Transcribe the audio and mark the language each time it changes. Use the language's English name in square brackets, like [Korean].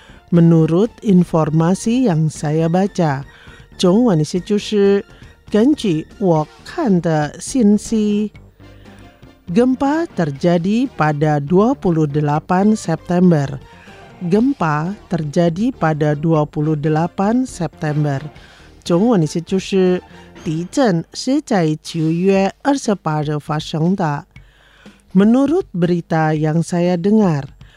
[Indonesian] Menurut informasi yang saya baca. [Chinese] 中文意思就是根据我看的信息。 [Indonesian] Gempa terjadi pada 28 September. Gempa terjadi pada 28 September. [Chinese] 中文意思就是地震是在7月28日发生的。 [Indonesian] Menurut berita yang saya dengar.